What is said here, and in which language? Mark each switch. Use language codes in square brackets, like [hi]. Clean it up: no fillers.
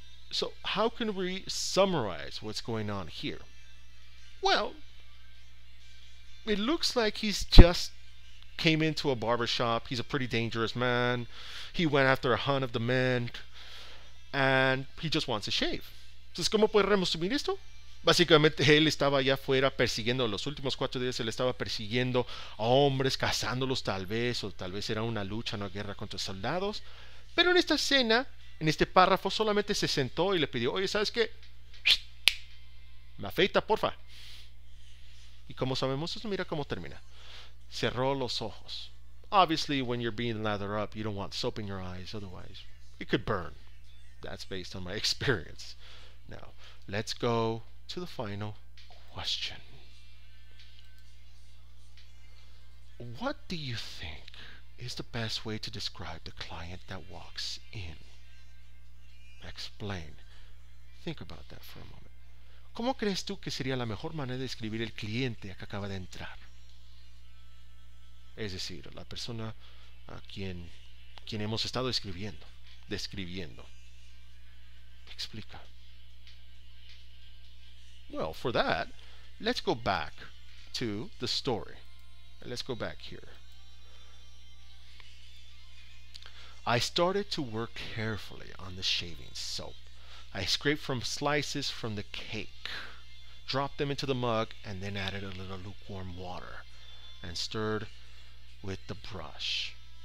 [en] So, how can we summarize what's going on here? Well, it looks like he's just came into a barber shop. He's a pretty dangerous man. He went after a hunt of the men, and he just wants a shave. [es] Entonces, ¿cómo podemos resumir esto? Básicamente, él estaba allá afuera persiguiendo, los últimos 4 días él estaba persiguiendo a hombres, cazándolos tal vez, o tal vez era una lucha, una guerra contra soldados. Pero en esta escena, en este párrafo, solamente se sentó y le pidió, oye, ¿sabes qué? Me afeita, porfa. Y como sabemos eso, mira cómo termina. Cerró los ojos. [en] Obviously, when you're being lathered up, you don't want soap in your eyes, otherwise it could burn. That's based on my experience. Now, let's go to the final question. What do you think is the best way to describe the client that walks in? Explain. Think about that for a moment. [es] ¿Cómo crees tú que sería la mejor manera de describir el cliente que acaba de entrar? Es decir, la persona a quien hemos estado describiendo. Explica. [en] Well, for that, let's go back to the story. Let's go back here. I started to work carefully on the shaving soap. I scraped from slices from the cake, dropped them into the mug, and then added a little lukewarm water and stirred with the brush.